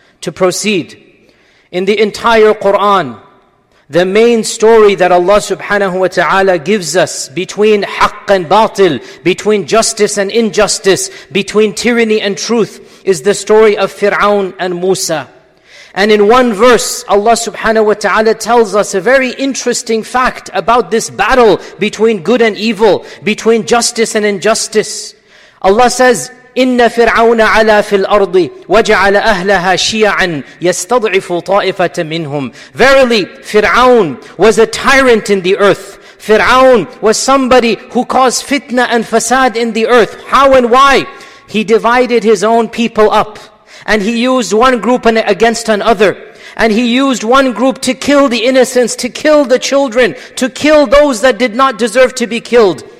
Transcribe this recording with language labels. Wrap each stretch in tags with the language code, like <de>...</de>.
<en>To proceed, in the entire Qur'an, the main story that Allah subhanahu wa ta'ala gives us between haqq and batil, between justice and injustice, between tyranny and truth, is the story of Fir'aun and Musa. And in one verse, Allah subhanahu wa ta'ala tells us a very interesting fact about this battle between good and evil, between justice and injustice.</en> <ar>Allah says, إِنَّ فِرْعَوْنَ عَلَى فِي الْأَرْضِ وَجَعَلَ أَهْلَهَا شِيَعًا يَسْتَضْعِفُ طَائِفَةً مِّنْهُمْ.</ar> <en>Verily, Fir'aun was a tyrant in the earth. Fir'aun was somebody who caused fitna and fasad in the earth. How and why? He divided his own people up. And he used one group against another. And he used one group to kill the innocents, to kill the children, to kill those that did not deserve to be killed.</en>